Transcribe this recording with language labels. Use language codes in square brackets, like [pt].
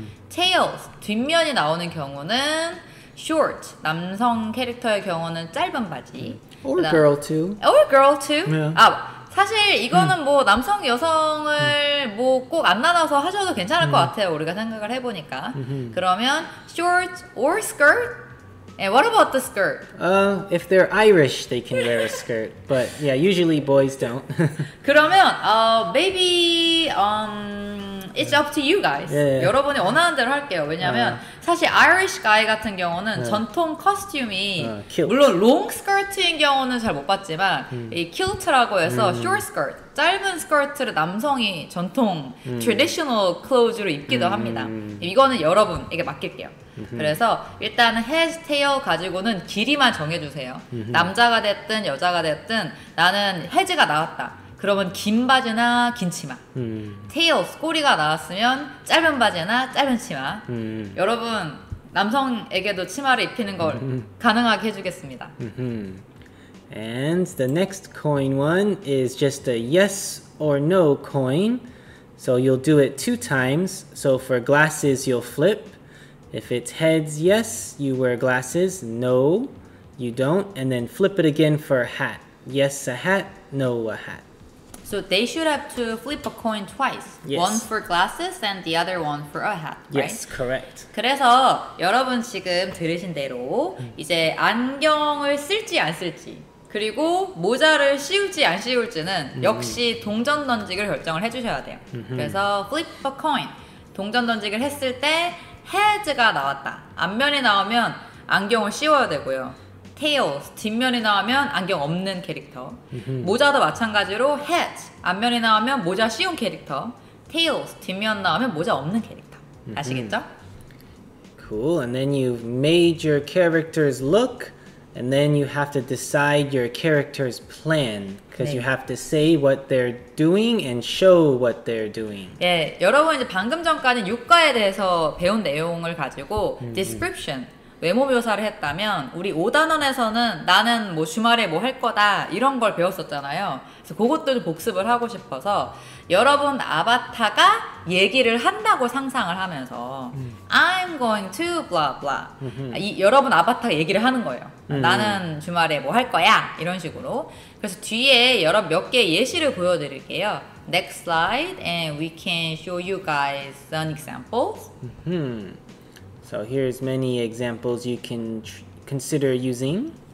[ko] Tails, 뒷면이 나오는 경우는 short, 남성 캐릭터의 경우는 짧은 바지. [en] Or girl too. Or girl too. Yeah. [ko] 아, 사실 이거는 뭐 남성, 여성을 뭐 꼭 안 나눠서 하셔도 괜찮을 것 같아요. 우리가 생각을 해보니까. [en] 그러면 short or skirt? And what about the skirt? If they're Irish, they can wear a skirt. But yeah, usually boys don't. 그러면 maybe it's up to you guys. Yeah, yeah. [ko] 여러분이 원하는 대로 할게요. 왜냐면 사실 Irish guy 같은 경우는 전통 커스튬이 물론 long skirt인 경우는 잘 못 봤지만 이 kilt라고 해서 short skirt, 짧은 skirt를 남성이 전통 traditional clothes로 입기도 합니다. 이거는 여러분에게 맡길게요. 그래서 일단 head, tail 가지고는 길이만 정해주세요. 남자가 됐든 여자가 됐든 나는 head가 나왔다. 그러면 긴 바지나 긴 치마. Tails, 꼬리가 나왔으면 짧은 바지나 짧은 치마. 여러분, 남성에게도 치마를 입히는 걸 가능하게 해주겠습니다. [en] And the next coin one is just a yes or no coin. So you'll do it two times. So for glasses, you'll flip. If it's heads, yes, you wear glasses. No, you don't. And then flip it again for a hat. Yes, a hat. No, a hat. So they should have to flip a coin twice. Yes. One for glasses and the other one for a hat, right? Yes, correct. [ko] 그래서 여러분 지금 들으신 대로 이제 안경을 쓸지 안 쓸지 그리고 모자를 씌울지 안 씌울지는 역시 동전 던지기를 결정을 해주셔야 돼요. 그래서 [en] flip a coin, [ko] 동전 던지기를 했을 때 heads가 나왔다. 앞면에 나오면 안경을 씌워야 되고요. tails, 뒷면에 나오면 안경 없는 캐릭터. 모자도 마찬가지로 heads, 앞면에 나오면 모자 씌운 캐릭터. tails, 뒷면 나오면 모자 없는 캐릭터. 아시겠죠? [en] Cool, and then you've made your character's look. And then you have to decide your character's plan because 네. you have to say what they're doing and show what they're doing. [ko] 예, 여러분 이제 방금 전까지 육가에 대해서 배운 내용을 가지고 description, 외모 묘사를 했다면 우리 5단원에서는 나는 뭐 주말에 뭐 할 거다 이런 걸 배웠었잖아요. 그래서 그것도 좀 복습을 하고 싶어서 여러분 아바타가 얘기를 한다고 상상을 하면서 [en] I'm going to blah blah [ko] 이, 여러분 아바타가 얘기를 하는 거예요. 나는 주말에 뭐 할 거야 이런 식으로. 그래서 뒤에 여러분 몇 개의 예시를 보여드릴게요. [en] Next slide and we can show you guys some examples. So here's many examples you can consider using.